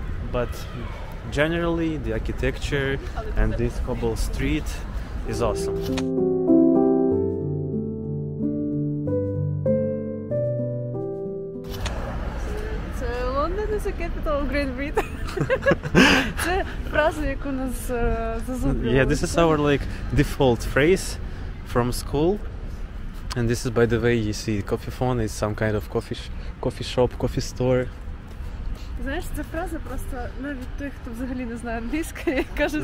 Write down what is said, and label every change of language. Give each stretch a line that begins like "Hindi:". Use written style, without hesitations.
English: But generally the architecture and this cobble street is awesome. So London is the capital of Great Britain.
Ukrainian: Це фраза, яку нас зазвичай.
English: Yeah, this is our like default phrase. from school. And this is, by the way, you see, coffee phone is some kind of coffee shop, coffee store.
Ukrainian: Знаєш, ця фраза просто навіть той, хто взагалі не знає англійської, каже, що